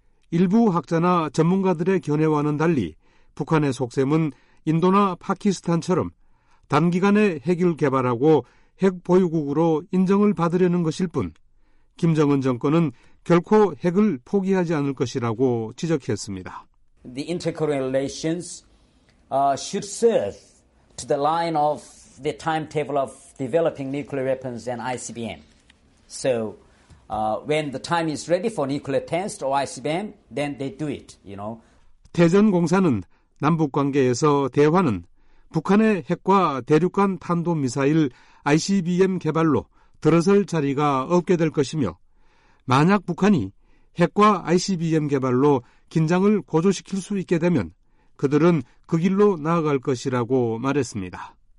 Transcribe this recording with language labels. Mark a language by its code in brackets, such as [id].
[ko] 일부 학자나 전문가들의 견해와는 달리 북한의 속셈은 인도나 파키스탄처럼 단기간에 핵을 개발하고 핵 보유국으로 인정을 받으려는 것일 뿐 김정은 정권은 결코 핵을 포기하지 않을 것이라고 지적했습니다. [en] The intercorporeal relations should serve to the line of the timetable of developing nuclear weapons and ICBM. So, when the time is ready for nuclear test or ICBM, then they do it, you know. [ko] 태전 공사는 남북 관계에서 대화는 북한의 핵과 대륙간 탄도미사일 ICBM 개발로 들어설 자리가 없게 될 것이며, 만약 북한이 핵과 ICBM 개발로 긴장을 고조시킬 수 있게 되면 그들은 그 길로 나아갈 것이라고 말했습니다.